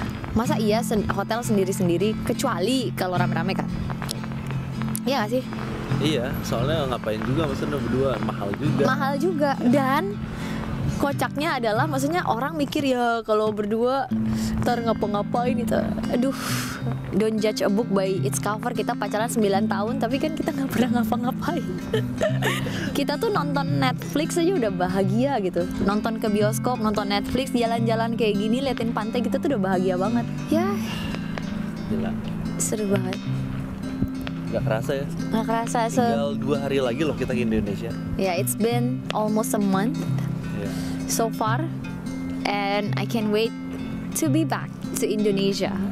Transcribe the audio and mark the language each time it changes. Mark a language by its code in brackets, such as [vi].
[id] Masa iya hotel sendiri-sendiri, kecuali kalau rame-rame kan. Iya gak sih? Iya, soalnya ngapain juga maksudnya berdua, mahal juga. Mahal juga, dan kocaknya adalah maksudnya orang mikir ya kalau berdua ntar ngapa-ngapain gitu. Aduh, [en] don't judge a book by its cover. [id] Kita pacaran 9 tahun tapi kan kita gak pernah ngapa-ngapain. Kita tuh nonton Netflix aja udah bahagia gitu. Nonton ke bioskop, nonton Netflix, jalan-jalan kayak gini, liatin pantai gitu tuh udah bahagia banget. Ya, gila. Seru banget. Gak kerasa ya? Gak kerasa. Tinggal 2 hari lagi loh kita ke Indonesia. [en] Ya, yeah, it's been almost a month so far, and I can't wait to be back to Indonesia.